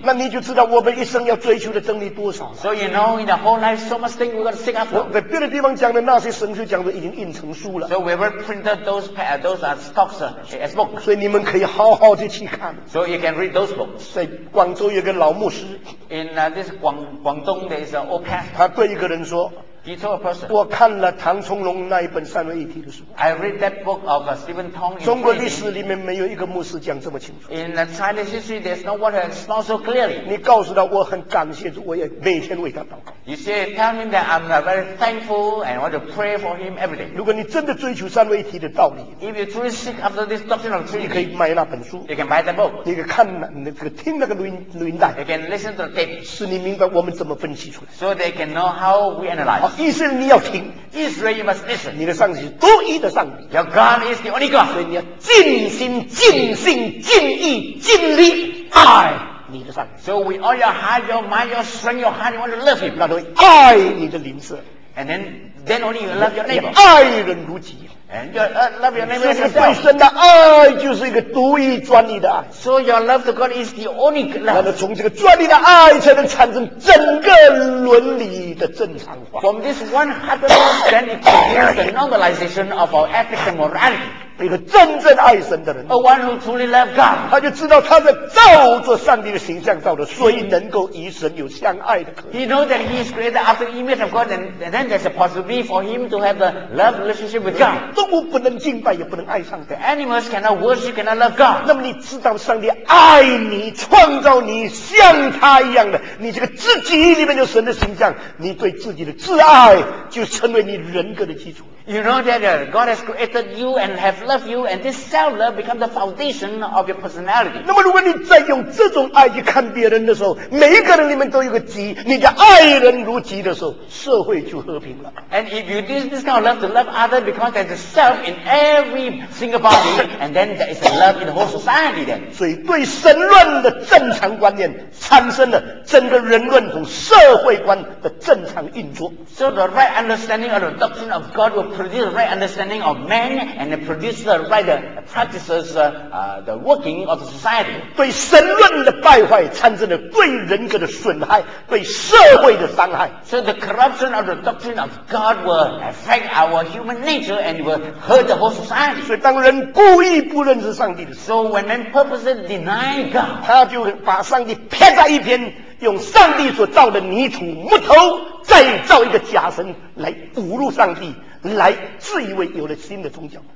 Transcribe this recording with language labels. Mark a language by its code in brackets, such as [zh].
[zh] 那你就知道我们一生要追求的真理多少。 [en] So you know in the whole life so much thing we got to seek after。 [zh] 在别的地方讲的那些神学讲的已经印成书了。 [en] So we will print those as talks as books。 [zh] 所以你们可以好好的去看。 [en] So you can read those books。 [zh] 在广州有个老牧师。 [en] In this 广东 there is an old pastor。 [zh] 他对一个人说。 [en] He told a person, [zh] 我看了唐崇隆那一本三位一体的书。 [en] I read that book of Stephen Tong. [zh] 中国历史里面没有一个牧师讲这么清楚。 [en] In the Chinese history, there's no one has spoken so clearly. [zh] 你告诉他我很感谢，我也每天为他祷告。 [en] You say, tell him that I'm very thankful and want to pray for him every day. [zh] 如果你真的追求三位一体的道理 [en] ，If you truly seek after this doctrine of Trinity, [zh] 你可以买那本书。 [en] You can buy that book. [zh] 你可以看那个听那个录音带。 [en] You can listen to the tape. [zh] 使你明白我们怎么分析出来。 [en] So they can know how we analyze. [zh] 意思你要听 [en] Israel you must listen [zh] 你的上帝是独一的上帝 [en] Your God is the only God [zh] 所以你要尽心尽性尽意尽力爱你的上帝 [en] So we all your heart your mind your strength your heart you want to love him [zh] 那都爱你的邻舍 [en] And then only you love your neighbor [zh] 你爱人如己 [en] And your love your neighbor yourself. [zh] 所以你本身的爱就是一个独一专一的爱。 [en] So your love to God is the only love. [zh] 那么从这个专一的爱才能产生整个伦理的正常化。 [en] From this one heart love, then it produces the normalization of our ethics and morality. [zh] 一个真正爱神的人 [en] A one who truly loves God [zh] 他就知道他在照着上帝的形象造的所以能够与神有相爱的可能 [en] He knows that he is created after the image of God and then there's a possibility for him to have the love relationship with God [zh] 动物不能敬拜也不能爱上帝 [en] Animals cannot worship, cannot love God [zh] 那么你知道上帝爱你创造你像他一样的你这个自己里面有神的形象你对自己的挚爱就成为你人格的基础 [en] You know that God has created you and have loved you and this self-love becomes the foundation of your personality. [zh] 那么如果你再用这种爱去看别人的时候每一个人里面都有个己你的爱人如己的时候社会就和平了。 [en] And if you use this kind of love to love others because there's a self in every single body and then there is a love in the whole society then. [zh] 所以对神论的正常观念产生了整个人论和社会观的正常运作。 [en] So the right understanding of the doctrine of God will produce the right understanding of man and produce the right practices the working of the society [zh] 对神论的败坏产生了对人格的损害对社会的伤害 [en] so the corruption of the doctrine of God will affect our human nature and will hurt the whole society [zh] 所以当人故意不认识上帝的 [en] so when man purposely deny God [zh] 他就把上帝撇在一边用上帝所造的泥土木头再造一个假神来侮辱上帝来自以为有了新的宗教